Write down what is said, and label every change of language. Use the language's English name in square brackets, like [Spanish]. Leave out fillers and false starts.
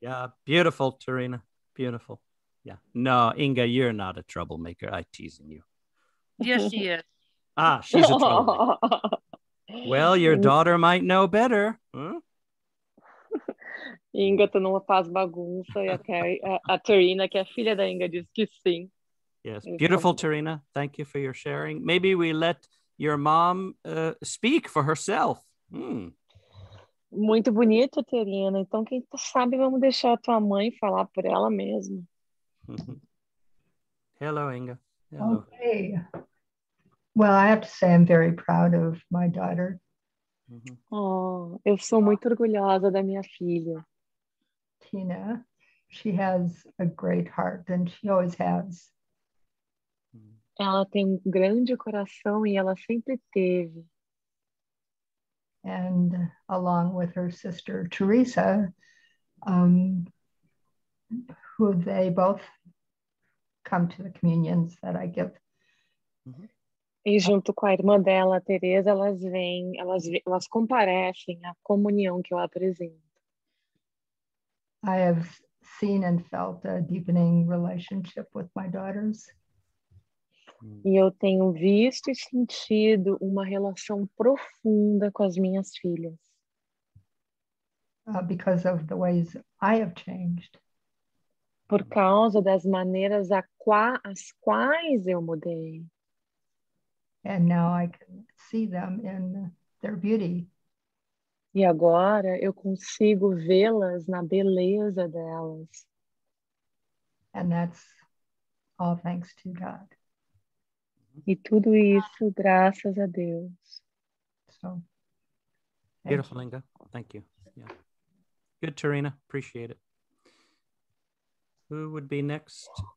[English] Yeah, beautiful, Terrina. Beautiful. Yeah. No, Inga, you're not a troublemaker. I'm teasing you. Yes, she is. Ah, she's a troublemaker. Well, your daughter might know better. [Portuguese] Inga, tu não faz bagunça. E a Terrina, que é a filha da Inga, diz que sim. [English] Yes, beautiful, Terrina. Thank you for your sharing. Maybe we let your mom speak for herself. [Portuguese] Muito bonito, Terrina. Então, quem sabe, vamos deixar a tua mãe falar por ela mesma. [English] Hello, Inga. Hello. Okay. Well, I have to say I'm very proud of my daughter. [Portuguese] Oh, eu sou muito orgulhosa da minha filha. [English] Tina, she has a great heart and she always has. [Portuguese] Ela tem um grande coração e ela sempre teve. [English] And along with her sister Teresa, who they both come to the communions that I give. [Portuguese] E junto com a irmã dela, a Teresa, elas comparecem à comunhão que eu apresento. [English] I have seen and felt a deepening relationship with my daughters. [Portuguese] E eu tenho visto e sentido uma relação profunda com as minhas filhas. [English] Because of the ways I have changed. [Portuguese] Por causa das maneiras as quais eu mudei. [English] And now I can see them in their beauty. [Portuguese] E agora eu consigo vê-las na beleza delas. [English] And that's all thanks to God. [Portuguese] E tudo isso graças a Deus. [English] So, beautiful, Linga. Thank you. Yeah. Good, Tarina. Appreciate it. Who would be next?